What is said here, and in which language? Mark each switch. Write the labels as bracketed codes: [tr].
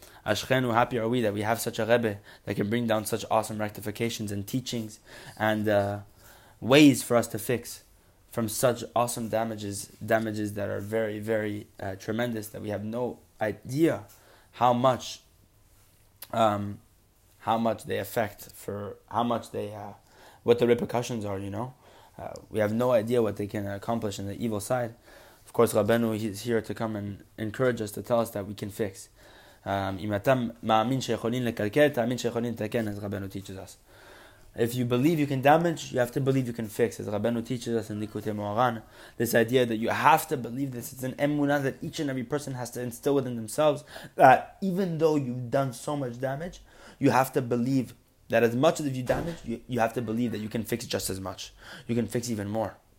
[en] Ashkenu, happy are we that we have such a Rebbe that can bring down such awesome rectifications and teachings and ways for us to fix from such awesome damages that are very, very tremendous, that we have no idea what the repercussions are, you know. We have no idea what they can accomplish in the evil side. Of course, Rabbeinu is here to come and encourage us, to tell us that we can fix. [he] אם אתה מאמין שיכולים לקלקל, תאמין שיכולים לתקן, [en] as Rabbeinu teaches us. If you believe you can damage, you have to believe you can fix, as Rabbeinu teaches us in Likutei Moharan. This idea that you have to believe this, it's an emunah that each and every person has to instill within themselves, that even though you've done so much damage, you have to believe that as much as you damage, you have to believe that you can fix just as much. You can fix even more.